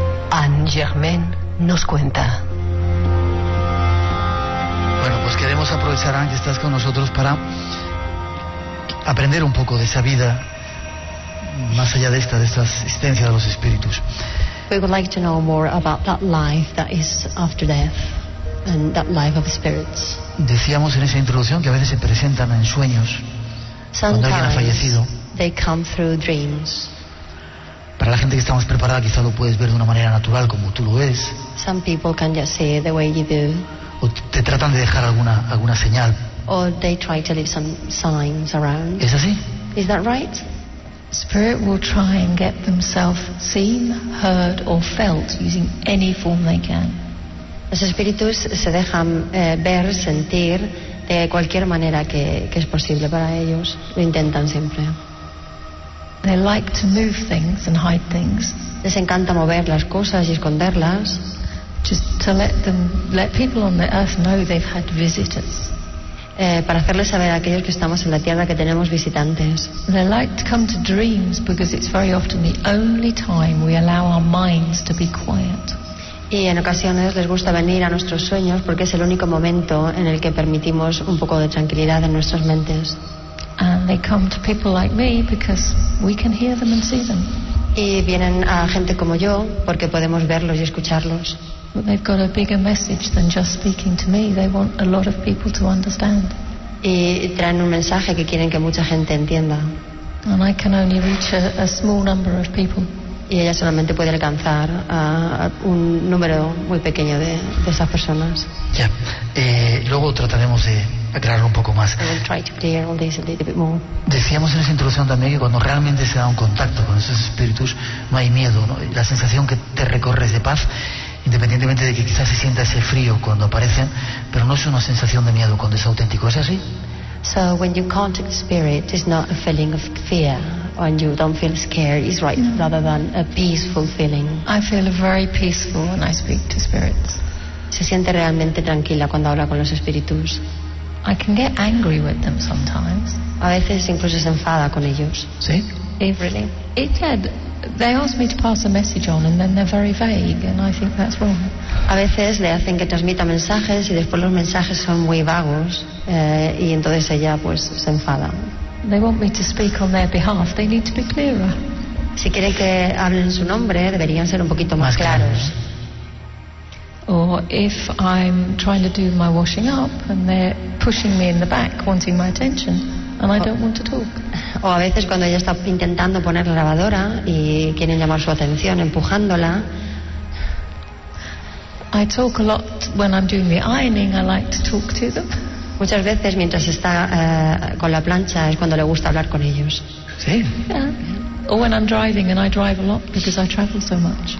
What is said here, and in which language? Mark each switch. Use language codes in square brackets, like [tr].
[es] Anne Germain nos cuenta. Bueno, pues queremos aprovechar, Anne, que estás con nosotros para aprender un poco de esa vida más allá de esta, de esta existencia de los espíritus. [en] We would like to know more about that life that is after death and that life of spirits. [es] Decíamos en esa introducción que a veces se presentan en sueños. [en] Sometimes [es] cuando alguien ha fallecido. [en] They come through dreams. [es] Para la gente que está más preparada, quizá lo puedes ver de una manera natural como tú lo ves. [en] Some people can just see it the way you do. [es] O te tratan de dejar alguna señal. [en] Or they try to leave some signs around. [es] ¿Es así? [en] Is that right? Spirit will try and get themselves seen, heard, or felt using any form they can. [es] Los espíritus se dejan ver, sentir de cualquier manera que es posible para ellos. Lo intentan siempre. [en] They like to move things and hide things. [es] Les encanta mover las cosas y esconderlas. [en] Just to let people on the earth know they've had visitors. [es] Para hacerles saber a aquellos que estamos en la tierra que tenemos visitantes. [en] They like to come to dreams because it's very often the only time we allow our minds to be quiet. [es] Y en ocasiones les gusta venir a nuestros sueños porque es el único momento en el que permitimos un poco de tranquilidad en nuestras mentes. [en] And they come to people like me because we can hear them and see them. [es] Y vienen a gente como yo porque podemos verlos y escucharlos. [en] But they've got a bigger message than just speaking to me. They want a lot of people to understand. [es] Y traen un mensaje que quieren que mucha gente entienda. [en] And I can only reach a small number of people. [es] Y ella solamente puede alcanzar a un número muy pequeño de esas personas. Ya. [en] Yeah. [es] Luego trataremos de aclararlo un poco más. [en] We'll try to clear all this a little bit more. [es] Decíamos en esa introducción también que cuando realmente se da un contacto con esos espíritus, no hay miedo, ¿no? La sensación que te recorres de paz, independientemente de que quizás se sienta ese frío cuando aparecen, pero no es una sensación de miedo cuando es auténtico, ¿es así? [en] So when you contact spirit, it's not a feeling of fear. When you don't feel scared, it's right, no. Rather than a peaceful feeling. I feel very peaceful when I speak to spirits. [es] Se siente realmente tranquila cuando habla con los espíritus. [en] I can get angry with them sometimes. [es] A veces incluso se enfada con ellos. Sí. [en] Really? They ask me to pass a message on, and then they're very vague, and I think that's wrong. [es] A veces le hacen que transmita mensajes y después los mensajes son muy vagos, y entonces ella pues se enfada. [en] They want me to speak on their behalf. They need to be clearer. [es] Si quieren que hablen en su nombre, deberían ser un poquito más claros. [en] Or if I'm trying to do my washing up and they're pushing me in the back, wanting my attention. And I don't want to talk. [es] O a veces cuando ella está intentando poner la lavadora y quieren llamar su atención empujándola. [en] I talk a lot when I'm doing the ironing. I like to talk to them. [es] Muchas veces mientras está con la plancha es cuando le gusta hablar con ellos. Sí. [en] Yeah. Or when I'm driving and I drive a lot because I travel so much.